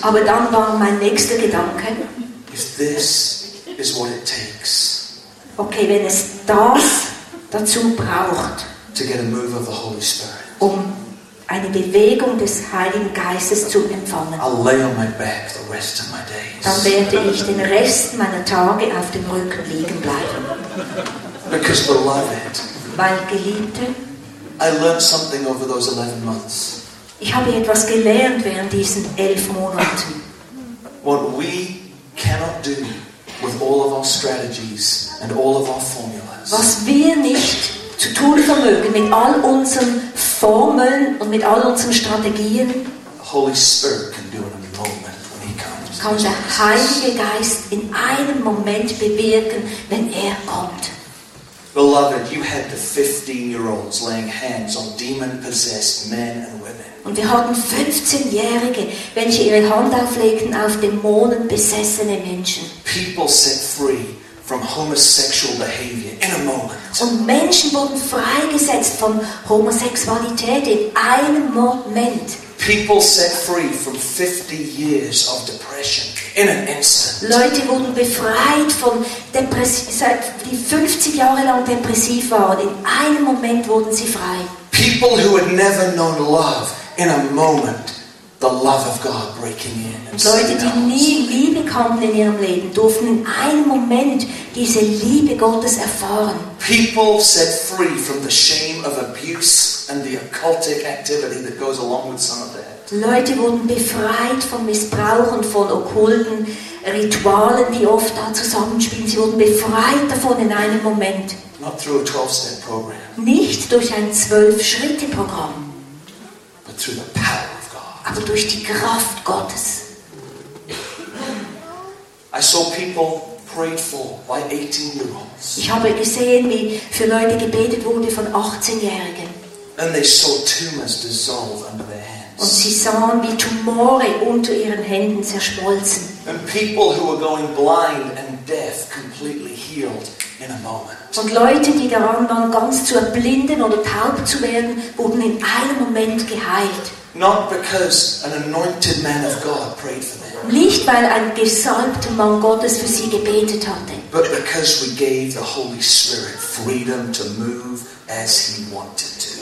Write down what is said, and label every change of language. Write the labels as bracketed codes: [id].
[de] Aber dann war mein nächster Gedanke. [en] If this is what it takes. [de] Okay, wenn es das dazu braucht. [en] To get a move of the Holy Spirit. [de] Um eine Bewegung des Heiligen Geistes zu empfangen. [en] I'll lay on my back the rest of my days. [de] Dann werde ich den Rest meiner Tage auf dem Rücken liegen bleiben. [en] Because beloved. [de] Weil Geliebte. [en] I learned something over those 11 months. [de] Ich habe etwas gelernt während diesen 11 Monaten. [en] What we cannot do with all of our strategies and all of our formulas. [de] Was wir nicht zu tun vermögen mit all unseren Formeln und mit all unseren Strategien. [en] The Holy Spirit can do in a moment when he comes. [de] Kann der Heilige Geist in einem Moment bewirken, wenn er kommt. [en] Beloved, you had the 15-year-olds laying hands on demon-possessed men and women. [de] Und wir hatten 15-Jährige, welche ihre Hand auflegten auf dämonenbesessene Menschen. [en] People set free from homosexual behavior in a moment. [de] Und Menschen wurden freigesetzt von Homosexualität in einem Moment. [en] People set free from 50 years of depression in an instant. [de] Leute wurden befreit von die 50 Jahre lang depressiv waren. In einem Moment wurden sie frei. [en] People who had never known love in a moment, the love of God breaking in. [de] Leute, die nie Liebe kannten in ihrem Leben, durften in einem Moment diese Liebe Gottes erfahren. [en] People set free from the shame of abuse and the occultic activity that goes along with some of that. [de] Leute wurden befreit von Missbrauch und von okkulten Ritualen, die oft da zusammenspielen. Sie wurden befreit davon in einem Moment. [en] Not through a 12-step program. [de] Nicht durch ein 12-Schritte-Programm. [en] But through the power of God. [de] Aber durch die Kraft Gottes. [en] I saw people prayed for by 18-year-olds. [de] Ich habe gesehen, wie für Leute gebetet wurde von 18-Jährigen. [en] And they saw tumors dissolve under their hands. [de] Und sie sahen, wie Tumore unter ihren Händen zerschmolzen. [en] And people who were going blind and deaf completely healed in a moment. [de] Und Leute, die daran waren, ganz zu erblinden oder taub zu werden, wurden in einem Moment geheilt. [en] Not because an anointed man of God prayed for them. [de] Nicht, weil ein gesalbter Mann Gottes für sie gebetet hatte. [en] But because we gave the Holy Spirit freedom to move as he wanted to.